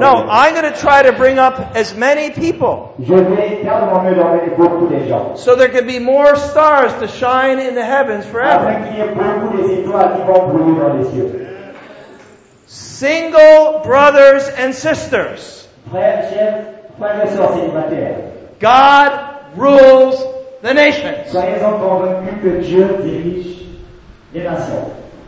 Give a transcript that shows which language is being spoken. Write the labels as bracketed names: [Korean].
[English] No, I'm going to try to bring up as many people. [French] Je vais tellement mieux d'emmener beaucoup de gens. [English] So there can be more stars to shine in the heavens forever. [French] Afin qu'il y ait beaucoup d'étoiles qui vont briller dans les cieux. [English] Single brothers and sisters. [French] Frères, chers, frères et sœurs célibataires. [English] God rules the nations. [French] Soyez en convaincu que Dieu dirige les nations.